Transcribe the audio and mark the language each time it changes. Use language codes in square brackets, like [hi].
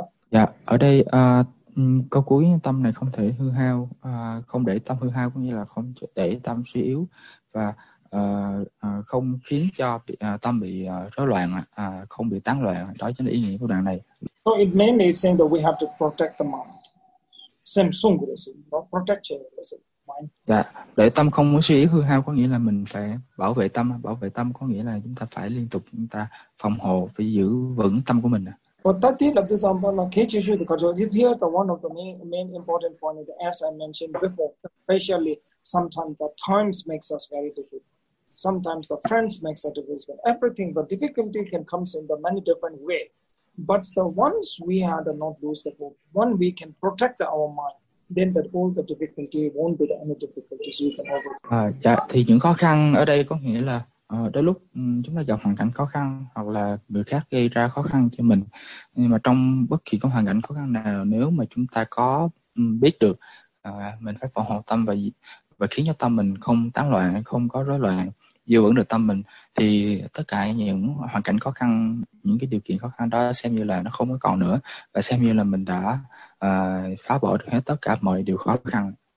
[vi] Dạ, ở đây câu cuối tâm này không thể hư hao, không để tâm hư hao cũng như là không để tâm suy yếu và không khiến cho tâm bị rối loạn, không bị tán loạn, đó chính là ý nghĩa của đoạn này. [en] So it mainly saying that we have to protect the mind. Samsung is protect the mind. [vi] Dạ, để tâm không có suy yếu hư hao có nghĩa là mình phải bảo vệ tâm, có nghĩa là chúng ta phải liên tục chúng ta phòng hộ, phải giữ vững tâm của mình. [en] Here the one of the main important point is, as I mentioned before, especially sometimes the times makes us very difficult. Sometimes the friends makes us difficult. Everything, the difficulty can come in the many different way. But the ones we had not lose the hope, when we can protect our mind, then that all the difficulty won't be any difficulties we can overcome. [vi] Dạ, thì những khó khăn ở đây có nghĩa là đôi lúc chúng ta gặp hoàn cảnh khó khăn hoặc là người khác gây ra khó khăn cho mình, nhưng mà trong bất kỳ có hoàn cảnh khó khăn nào, nếu mà chúng ta có biết được mình phải phòng hộ tâm và khiến cho tâm mình không tán loạn, không có rối loạn, giữ vững được tâm mình, thì tất cả những hoàn cảnh khó khăn, những cái điều kiện khó khăn đó xem như là nó không có còn nữa và xem như là mình đã phá bỏ được hết tất cả mọi điều khó khăn.